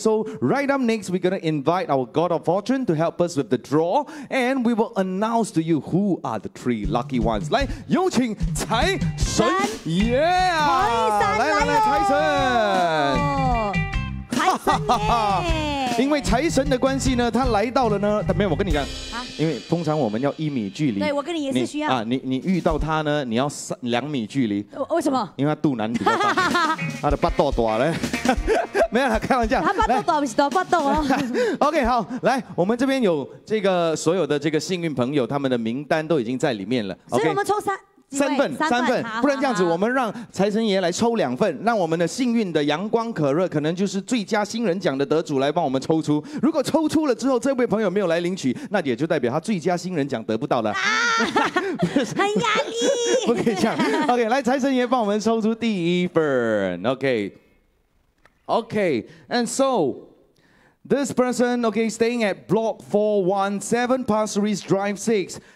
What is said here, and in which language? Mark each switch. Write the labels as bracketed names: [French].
[English] So right up next we're gonna invite our god of fortune to help us with the draw， and we will announce to you who are the 3 lucky ones。 [Chinese] 来，有请财神爷，来来来，财神，因为财神的关系呢，他来到了呢。没有，我跟你讲，因为通常我们要一米距离。对，我跟你也是需要。你遇到他呢，你要2米距离。为什么？因为他肚腩比较大，他的八道大嘞。没有，开玩笑。他八道大不是大八道哦。 OK， 好，来，我们这边有这个所有的这个幸运朋友，他们的名单都已经在里面了。所以我们抽三。三份，不然这样子，我们让财神爷来抽两份，让我们的幸运的阳光可乐，可能就是最佳新人奖的得主来帮我们抽出。如果抽出了之后，这位朋友没有来领取，那也就代表他最佳新人奖得不到了。啊，很压力。不可以这样。 OK， 来，财神爷帮我们抽出第一份。 [English] OK，and so。 This person, okay, staying at block 417, Pasir Ris Drive 6.